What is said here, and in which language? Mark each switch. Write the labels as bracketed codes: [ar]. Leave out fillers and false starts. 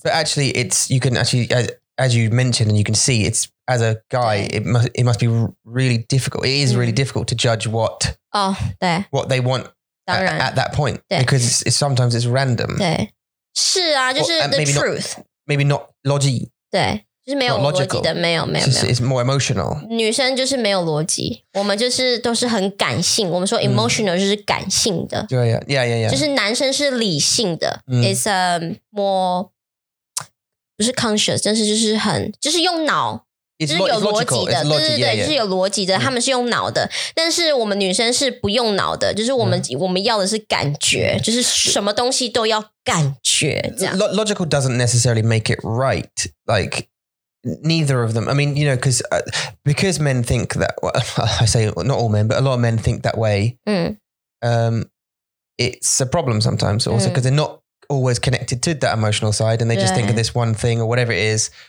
[en] But actually, it's you can actually as you mentioned and you can see, it's as a guy, it must be really difficult. It is really difficult to judge what they want. At that point, because it's sometimes it's random. [zh] 是啊，就是 [en] the truth. Maybe not logic. [zh] 对，就是没有逻辑的，没有。 [en] It's more emotional. [zh] 女生就是没有逻辑，我们就是都是很感性。我们说 emotional 就是感性的。对呀。就是男生是理性的。 [en] It's more [zh] 不是 conscious， 但是就是很用脑。就是有逻辑的，对对对，是有逻辑的。他们是用脑的，但是我们女生是不用脑的，就是我们要的是感觉，就是什么东西都要感觉。 [en] Logical doesn't necessarily make it right. Like Neither of them. I mean, you know, because men think that, well, I say not all men, but a lot of men think that way. Mm. It's a problem sometimes also because they're not always connected to that emotional side and they just think of this one thing or whatever it is.